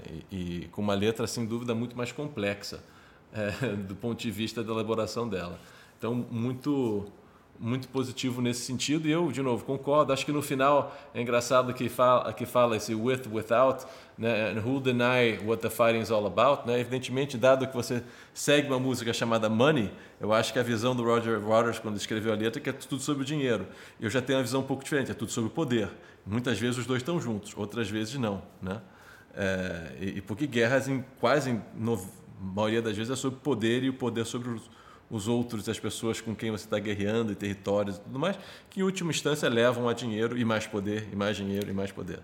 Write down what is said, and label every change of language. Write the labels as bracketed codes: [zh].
[pt] E com uma letra, sem dúvida, muito mais complexa do ponto de vista da elaboração dela. Então, muito... muito positivo nesse sentido, e eu, de novo, concordo. Acho que no final é engraçado que fala esse with, without, né? [en] And who deny what the fighting is all about, né? [pt] Evidentemente, dado que você segue uma música chamada Money, eu acho que a visão do Roger Waters, quando escreveu a letra, é que é tudo sobre o dinheiro. Eu já tenho uma visão um pouco diferente, é tudo sobre o poder. Muitas vezes os dois estão juntos, outras vezes não, né? E porque guerras, quase maioria das vezes, é sobre poder, e o poder sobre os outros, as pessoas com quem você está guerreando, e territórios e tudo mais, que em última instância levam a dinheiro e mais poder, e mais dinheiro e mais poder.